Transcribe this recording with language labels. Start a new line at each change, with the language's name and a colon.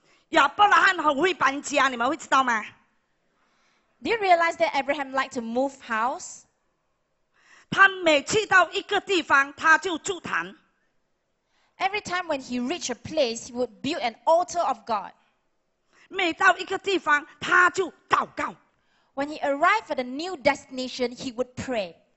Chinese: 亚伯拉罕很会搬家，你们会知道吗？
English: Do you realize that Abraham liked to move house?
Chinese: 他每次到一个地方，他就筑坛。
English: Every time when he reached a place, he would build an altar of God.
Chinese: 每到一个地方，他就祷告。
English: When he arrived at a new destination, he would pray.